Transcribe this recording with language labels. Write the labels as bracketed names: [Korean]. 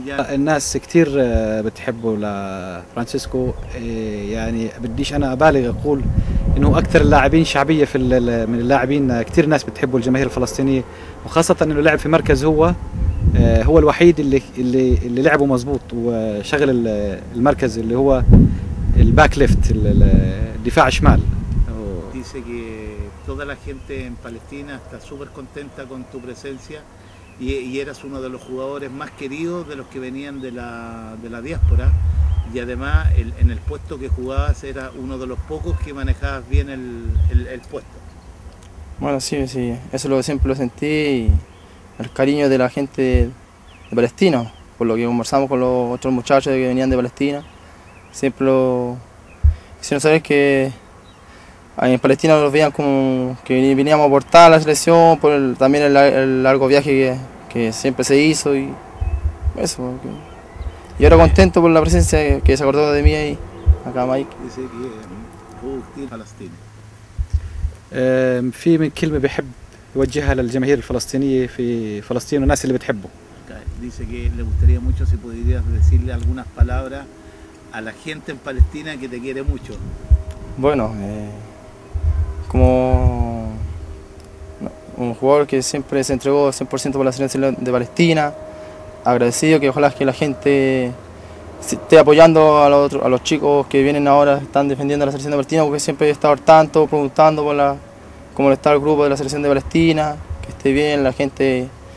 [Arabic] الناس كتير بتحبوا لفرانشيسكو يعني بديش انا ابالغ اقول انه اكثر اللاعبين شعبيه في من اللاعبين كتير ناس بتحبوا الجماهير الفلسطينيه وخاصه انه لعب في مركز هو الوحيد اللي لعبه مظبوط وشغل المركز اللي هو الباك ليفت الدفاع الشمال [Spanish] dice que toda la gente en Palestina está super contenta con tu presencia y eras uno de los jugadores más queridos de los que venían de la diáspora y además en el puesto que jugabas era uno de los pocos que manejabas bien el puesto bueno sí eso siempre lo sentí el cariño de la gente de Palestina, por lo que conversamos con los otros muchachos que venían de Palestina, siempre sino saber que en Palestina los veían como que veníamos a aportar a la selección por el, también el largo viaje que siempre se hizo y eso. Porque, y ahora contento por la presencia que se acordó de mí ahí, acá Mike. Dice que es Palestina. [Arabic] في من كلمة بيحب يوجهها للجماهير الفلسطينية في فلسطين والناس اللي بتحبه. [Spanish] Dice que le gustaría mucho si podrías decirle algunas palabras a la gente en Palestina que te quiere mucho. Bueno, como un jugador que siempre se entregó 100% por la selección de Palestina, agradecido que ojalá que la gente esté apoyando a los chicos que vienen ahora, están defendiendo la selección de Palestina, porque siempre he estado al tanto, preguntando por la, cómo está el grupo de la selección de Palestina, que esté bien la gente,